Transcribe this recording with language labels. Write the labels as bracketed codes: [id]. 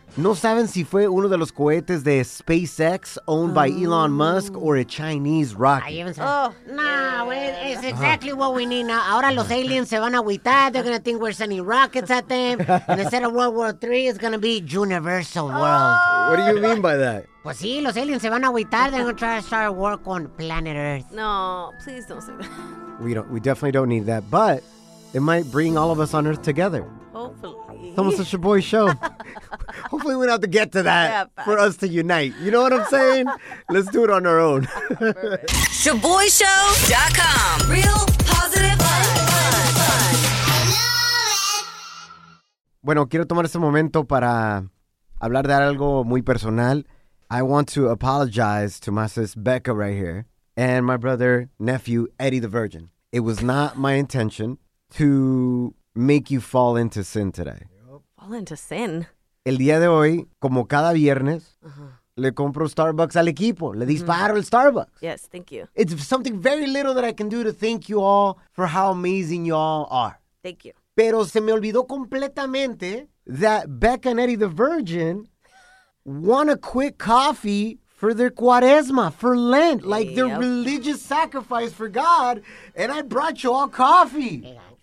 [es] No saben si fue uno de los cohetes de SpaceX [en] owned by Elon Musk or a Chinese rocket. It's exactly what we need now. [es] Ahora los aliens se van a agüitar. [en] They're going to think we're sending rockets at them. And instead of World War III, it's going to be Universal World. What do you mean by that? [es] Pues sí, los aliens se van a agüitar. [en] They're going to try to start a war on planet Earth. No, please don't say that. We definitely don't need that, but it might bring all of us on Earth together. Hopefully. It's almost a Shaboy show. Hopefully we don't have to get to that for us to unite. You know what I'm saying? Let's do it on our own. ShaboyShow.com. Real positive fun. [es] Bueno, quiero tomar este momento para hablar de algo muy personal. [en] I want to apologize to my sis Becca right here and my brother, nephew, Eddie the Virgin. It was not my intention to make you fall into sin today. Fall into sin? [es] El día de hoy, como cada viernes, le compro Starbucks al equipo. Le disparo el Starbucks. [en] Yes, thank you. It's something very little that I can do to thank you all for how amazing you all are. Thank you. [es] Pero se me olvidó completamente [en] that Becca and Eddie the Virgin want a quick coffee for their Cuaresma, for Lent, like their religious sacrifice for God, and I brought you all coffee.